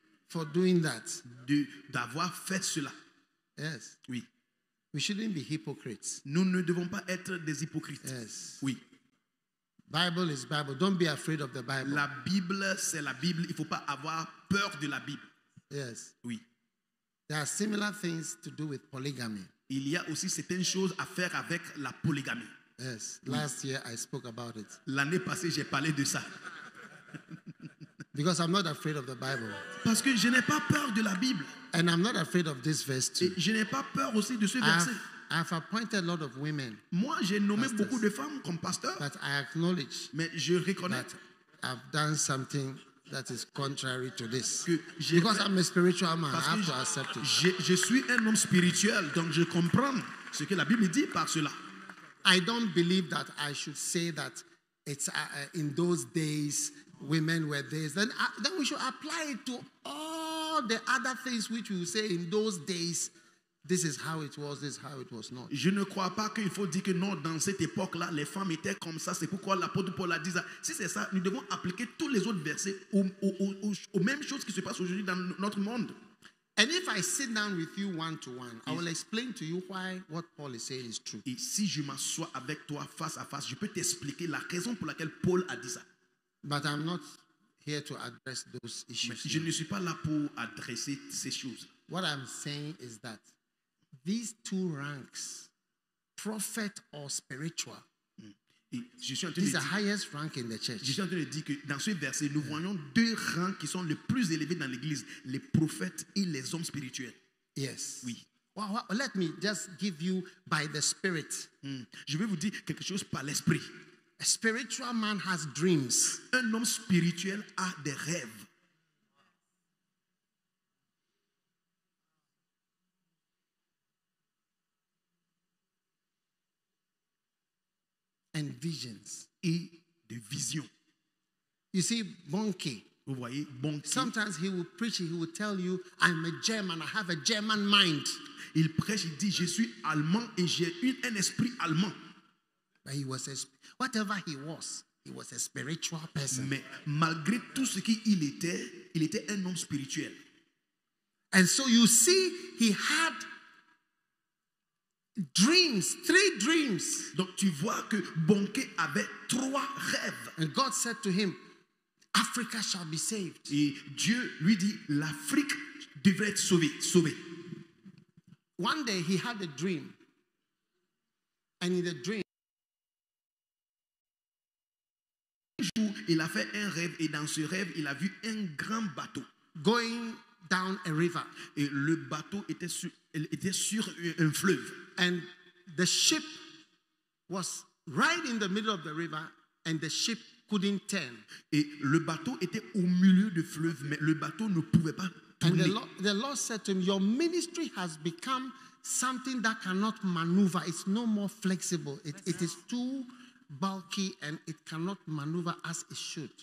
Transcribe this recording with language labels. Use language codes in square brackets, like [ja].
[en] For doing that. [fr] D'avoir fait cela. [en] Yes. [fr] Oui. [en] We shouldn't be hypocrites. [fr] Nous ne devons pas être des hypocrites. [en] Yes. [fr] Oui. [en] Bible is Bible. Don't be afraid of the Bible. [fr] La Bible, c'est la Bible. Il faut pas avoir peur de la Bible. [en] Yes. [fr] Oui. [en] There are similar things to do with polygamy. [fr] Il y a aussi certaines choses à faire avec la polygamie. [en] Yes. [fr] Oui. [en] Last year I spoke about it. [fr] L'année passée, j'ai parlé de ça. [en] Because I'm not afraid of the Bible. [fr] Parce que je n'ai pas peur de la Bible. [en] And I'm not afraid of this verse too. [fr] Et je n'ai pas peur aussi de ce verset. [en] I've appointed a lot of women. [fr] Moi, j'ai nommé pastors, beaucoup de femmes comme pasteurs. [en] But I acknowledge. [fr] Mais je reconnais. [en] That I've done something that is contrary to this. [fr] Que [en] because I'm a spiritual man, I have to accept it. [fr] Je suis un homme spirituel, donc je comprends ce que la Bible dit par cela. [en] I don't believe that I should say that it's in those days. Women were this. Then we should apply it to all the other things which we say in those days. This is how it was. This is how it was not. [fr] Je ne crois pas qu'il faut dire que non, dans cette époque-là, les femmes étaient comme ça. C'est pourquoi l'apôtre Paul a dit ça. Si c'est ça, nous devons appliquer tous les autres versets aux mêmes choses qui se passent aujourd'hui dans notre monde. [en] And if I sit down with you one to one, I will explain to you why what Paul is saying is true. [fr] Et si je m'assois avec toi face à face, je peux t'expliquer la raison pour laquelle Paul a dit ça. [en] But I'm not here to address those issues. [fr] Mais je ne suis pas là pour adresser ces choses. [en] What I'm saying is that these two ranks, prophet or spiritual, is the highest rank in the church. [fr] Je suis en train de dire que dans ce verset, nous voyons deux rangs qui sont les plus élevés dans l'église, les prophètes et les hommes spirituels. [en] Yes. [fr] Oui. [en] Well, let me just give you by the Spirit. [fr] Je vais vous dire quelque chose par l'esprit. [en] A spiritual man has dreams. [fr] Un homme spirituel a des rêves. [en] And visions. [fr] Et des visions. [en] You see, Bonke. [fr] Vous voyez, Bonke. [en] Sometimes he will preach, he will tell you, I'm a German, I have a German mind. [fr] Il prêche, il dit, je suis allemand et j'ai un esprit allemand. [en] But he was a, whatever he was, He was a spiritual person. [fr] Mais malgré tout ce qu'il était, il était un homme spirituel. [en] And so you see, he had dreams, three dreams. [fr] Donc tu vois que Bonke avait trois rêves. [en] And God said to him, Africa shall be saved. [fr] Et Dieu lui dit, l'Afrique devrait être sauvée. [en] One day he had a dream. And in the dream, [fr] un jour, il a fait un rêve et dans ce rêve, il a vu un grand bateau [en] going down a river. [fr] Et le bateau était sur un fleuve. [en] And the ship was right in the middle of the river and the ship couldn't turn. [fr] Et le bateau était au milieu du fleuve, mais le bateau ne pouvait pas tourner. [en] And the Lord said to him, your ministry has become something that cannot maneuver. It's no more flexible. It is too bulky and it cannot maneuver as it should.